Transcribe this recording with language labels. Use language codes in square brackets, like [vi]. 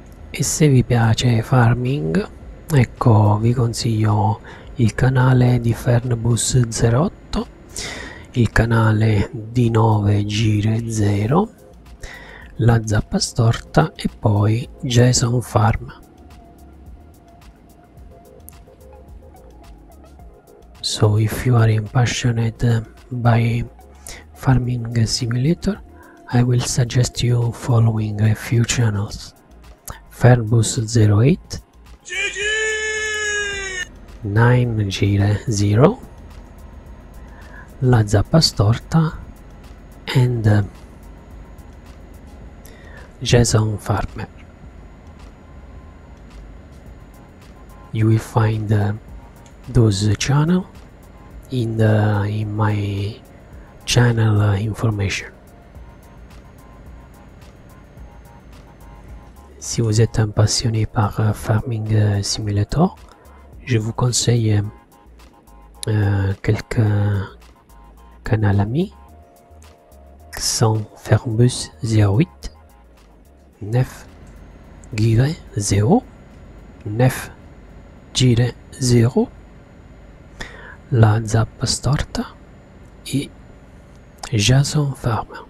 [it] E se vi piace Farming, ecco, vi consiglio il canale di Fernbus08, il canale di 9 gire 0, la zappa storta e poi Jason Farm. [en] So if you are impassionate by Farming Simulator, I will suggest you following a few channels. Fernbus 08, Nine Gire Zero, La Zappa Storta and Jason Farmer. You will find those channels in my channel information. [fr] Si vous êtes un passionné par Farming Simulator, je vous conseille quelques canaux amis qui sont Fernbus 08, 9 Gire 0, 9 Gire 0, La Zappa Storta et Jason Farm.